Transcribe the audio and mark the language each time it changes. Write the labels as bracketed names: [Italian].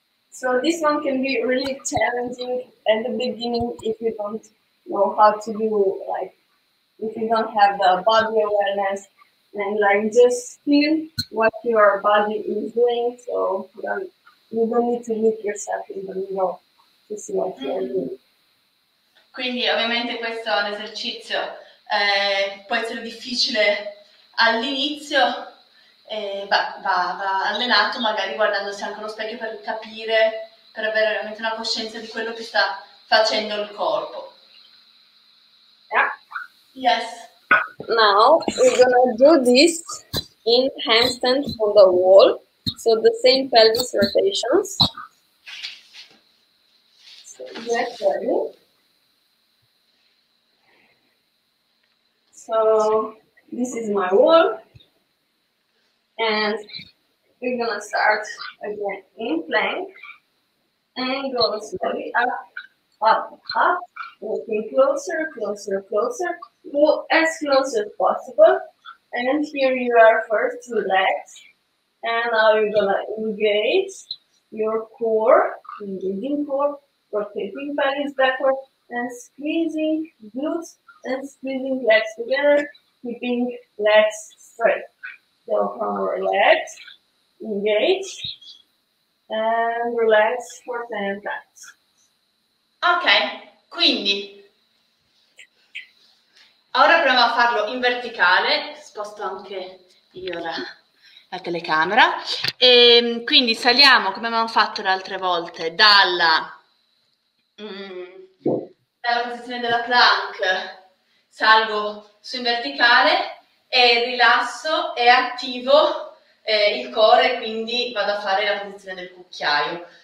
[English] So this one can be really challenging at the beginning if you don't know how to do, like, if you don't have the body awareness and like just feel what your body is doing, so you don't need to look yourself in the mirror to see what you are doing. [Italian] Quindi ovviamente questo è un esercizio, può essere difficile all'inizio, va allenato magari guardandosi anche allo specchio per capire, per avere veramente una coscienza di quello che sta facendo il corpo. [English] Yes. Now we're gonna do this in handstand on the wall. So the same pelvis rotations. So get ready. So this is my wall. And we're gonna start again in plank. And go slowly up, up, up. Walking closer, closer, closer. Go as close as possible. And here you are first, relax. And now you're gonna engage your core, engaging core, rotating pelvis backward, and squeezing glutes and squeezing legs together, keeping legs straight. So from relax, engage, and relax for 10 times. [Italian] Okay, quindi. Ora proviamo a farlo in verticale, sposto anche io la telecamera. E quindi saliamo, come abbiamo fatto le altre volte, dalla posizione della plank, salgo su in verticale e rilasso e attivo il core, quindi vado a fare la posizione del cucchiaio.